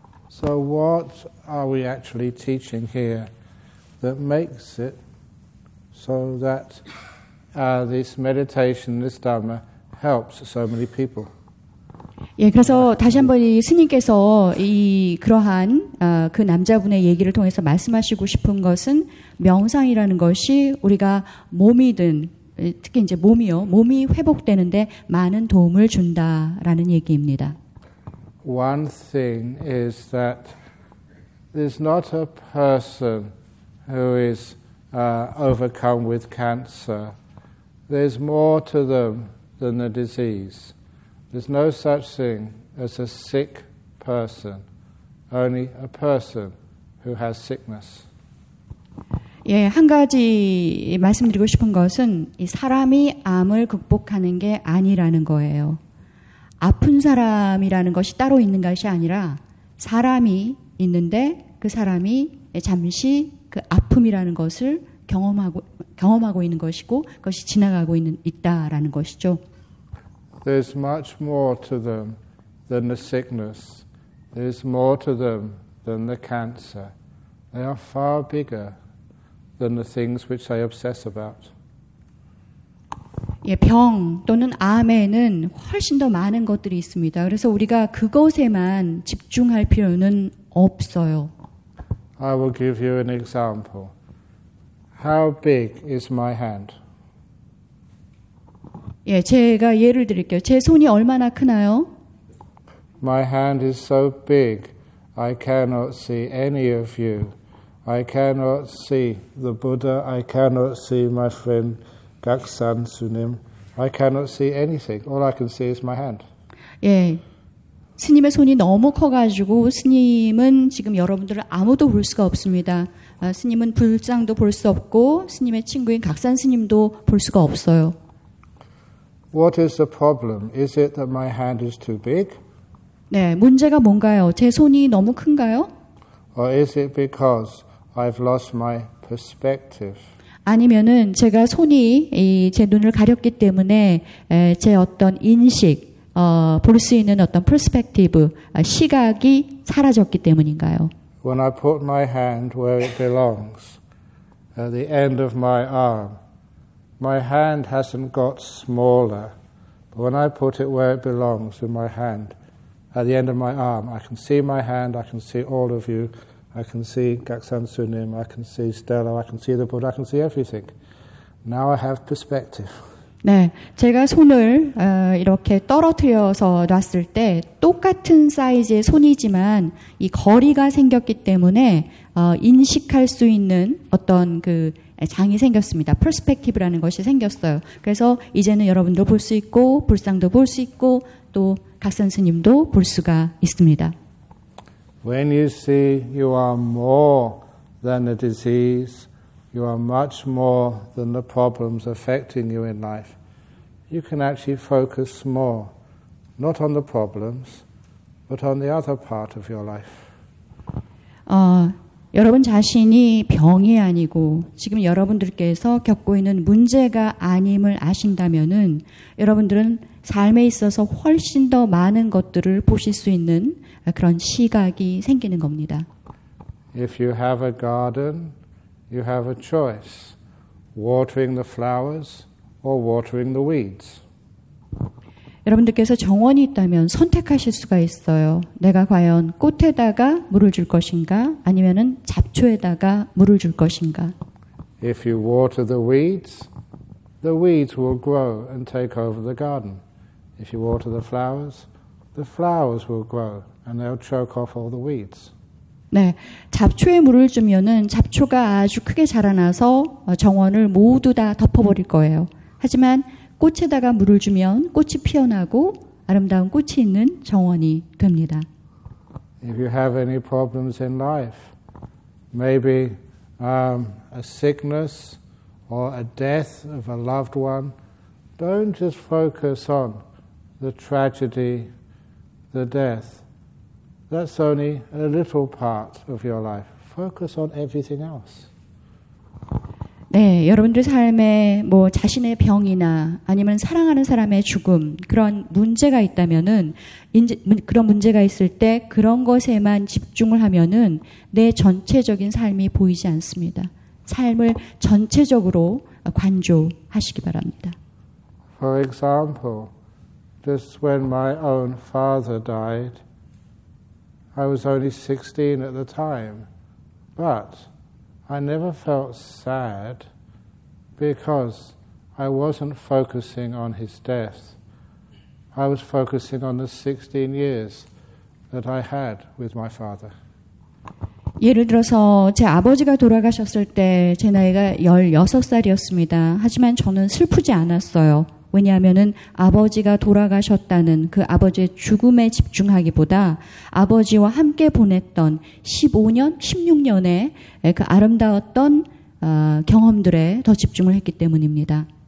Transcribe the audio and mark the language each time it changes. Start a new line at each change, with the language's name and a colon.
English: So what are we actually teaching here that makes it so that this meditation, this Dhamma helps so many people?
Korean: 예, 그래서 다시 한번 이 스님께서 이 그러한 그 남자분의 얘기를 통해서 말씀하시고 싶은 것은 명상이라는 것이 우리가 몸이든 특히 이제 몸이요 몸이 회복되는데 많은 도움을 준다라는 얘기입니다.
English: One thing is that there's not a person who is overcome with cancer. There's more to them than the disease. There's no such thing as a sick person, only a person who has sickness.
Korean: 예, 한 가지 말씀드리고 싶은 것은 이 사람이 암을 극복하는 게 아니라는 거예요. 아픈 사람이라는 것이 따로 있는 것이 아니라 사람이 있는데 그 사람이 잠시 그 아픔이라는 것을 경험하고 있는 것이고 그것이 지나가고 있다라는 것이죠.
English: There's much more to them than the sickness. There's more to them than the cancer. They are far bigger than the things which they obsess about.
Korean: 예, 병 또는 암에는 훨씬 더 많은 것들이 있습니다. 그래서 우리가 그것에만 집중할 필요는 없어요.
English: I will give you an example. How big is my hand?
Korean: 예, 제가 예를 드릴게요. 제 손이 얼마나 크나요?
English: My hand is so big, I cannot see any of you. I cannot see the Buddha. I cannot see my friend Gaksan Sunim. I cannot see anything. All I can see is my hand.
Korean: 예, 스님의 손이 너무 커가지고 스님은 지금 여러분들을 아무도 볼 수가 없습니다. 스님은 불상도 볼 수 없고 스님의 친구인 각산 스님도 볼 수가 없어요.
English: What is the problem? Is it that my hand is too big?
Korean: 네, 문제가 뭔가요? 제 손이 너무 큰가요?
English: Or is it because I've lost my perspective?
Korean: 아니면은 제가 손이 제 눈을 가렸기 때문에 제 어떤 인식, 볼 수 있는 어떤 perspective, 시각이 사라졌기 때문인가요?
English: When I put my hand where it belongs, at the end of my arm, my hand hasn't got smaller. But when I put it where it belongs, in my hand, at the end of my arm, I can see my hand, I can see all of you, I can see Gaksan Sunim, I can see Stella, I can see the Buddha, I can see everything. Now I have perspective.
Korean: 네, 제가 손을 이렇게 떨어뜨려서 놨을 때 똑같은 사이즈의 손이지만 이 거리가 생겼기 때문에 인식할 수 있는 어떤 그 장이 생겼습니다. 퍼스펙티브라는 것이 생겼어요. 그래서 이제는 여러분도 볼 수 있고 불상도 볼 수 있고 또 각선 스님도 볼 수가 있습니다.
English: When you see you are more than a disease, you are much more than the problems affecting you in life. You can actually focus more, not on the problems, but on the other part of your life.
Korean: 여러분 자신이 병이 아니고 지금 여러분들께서 겪고 있는 문제가 아님을 아신다면은 여러분들은 삶에 있어서 훨씬 더 많은 것들을 보실 수 있는 그런 시각이 생기는 겁니다.
English: If you have a garden, you have a choice: watering the flowers or watering the weeds.
Korean: 여러분들께서 정원이 있다면 선택하실 수가 있어요. 내가 과연 꽃에다가 물을 줄 것인가, 아니면은 잡초에다가 물을 줄 것인가?
English: If you water the weeds will grow and take over the garden. If you water the flowers will grow and they'll choke off all the weeds.
Korean: 네, 잡초에 물을 주면은 잡초가 아주 크게 자라나서 정원을 모두 다 덮어버릴 거예요. 하지만 꽃에다가 물을 주면 꽃이 피어나고 아름다운 꽃이 있는 정원이 됩니다.
English: If you have any problems in life, maybe a sickness or a death of a loved one, don't just focus on the tragedy, the death. That's only a little part of your life. Focus on everything else.
Korean: 네, 여러분들 삶에 뭐 자신의 병이나 아니면 사랑하는 사람의 죽음 그런 문제가 있다면은 그런 문제가 있을 때 그런 것에만 집중을 하면은 내 전체적인 삶이 보이지 않습니다. 삶을 전체적으로 관조하시기 바랍니다.
English: For example, just when my own father died. I was only 16 at the time, but I never felt sad because I wasn't focusing on his death. I was focusing on the 16 years that I had with my father.
Korean: 예를 들어서 제 아버지가 돌아가셨을 때 제 나이가 16살이었습니다. 하지만 저는 슬프지 않았어요. 왜냐하면은 아버지가 돌아가셨다는 그 아버지의 죽음에 집중하기보다 아버지와 함께 보냈던 15년, 16년의 그 아름다웠던 경험들에 더 집중을 했기 때문입니다.